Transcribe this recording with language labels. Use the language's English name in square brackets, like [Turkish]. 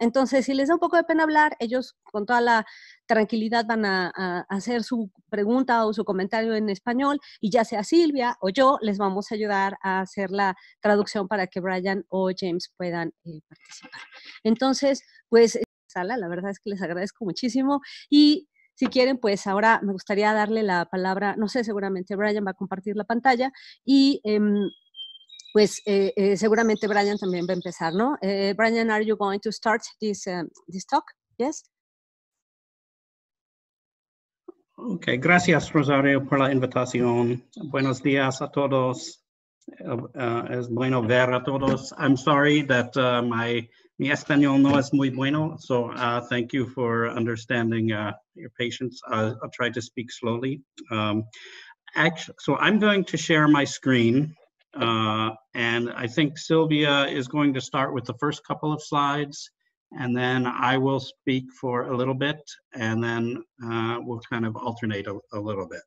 [Spanish] Entonces, si les da un poco de pena hablar, ellos con toda la tranquilidad van a hacer su pregunta o su comentario en español, y ya sea Silvia o yo, les vamos a ayudar a hacer la traducción para que Brian o James puedan participar. Entonces, pues, sala, la verdad es que les agradezco muchísimo, y si quieren, pues ahora me gustaría darle la palabra, no sé, seguramente Brian va a compartir la pantalla, y pues seguramente Brian también va a empezar, ¿no? [English] Brian, are you going to start this this talk? Yes. Okay. [Spanish] Gracias, Rosario, por la invitación. Buenos días a todos. Es bueno ver a todos. [English] I'm sorry that [Spanish] mi español no es muy bueno. [English] So thank you for understanding your patience. I'll try to speak slowly. So I'm going to share my screen. And I think Silvia is going to start with the first couple of slides, and then I will speak for a little bit, and then we'll kind of alternate a little bit.